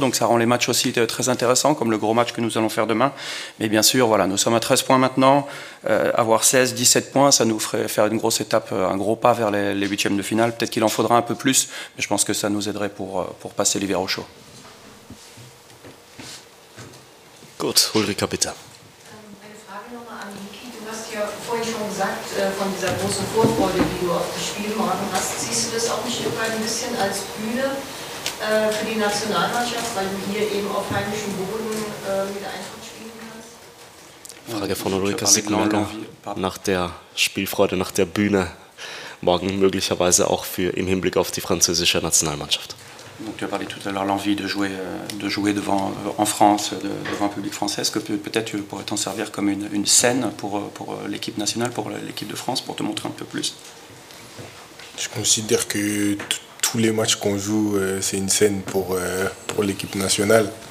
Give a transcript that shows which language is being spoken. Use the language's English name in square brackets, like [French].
[French] Donc ça rend les matchs aussi très intéressants, comme le gros match que nous allons faire demain. Mais bien sûr, voilà, nous sommes à 13 points maintenant, avoir 16, 17 points, ça nous ferait faire une grosse étape, un gros pas vers les 8e de finale. Peut-être qu'il en faudra un peu plus, mais je pense que ça nous aiderait pour passer l'hiver au chaud. [German] Gut, Ulrika, bitte. Eine Frage nochmal an Niki. Du hast ja vorhin schon gesagt, von dieser großen Vorfreude, die du auf das Spiel morgen hast, siehst du das auch nicht immer ein bisschen als Bühne für die Nationalmannschaft, weil du hier eben auf heimischem Boden mit Eintracht. Frage von Ulrika Sickenberger nach der Spielfreude, nach der Bühne morgen möglicherweise auch für im Hinblick auf die französische Nationalmannschaft. [French] Donc, tu as parlé tout à l'heure l'envie de jouer devant en France devant un public français. Est-ce que peut-être tu pourrais t'en servir comme une scène pour l'équipe nationale, pour l'équipe de France, pour te montrer un peu plus? Je considère que tous les matchs qu'on joue c'est une scène pour l'équipe nationale.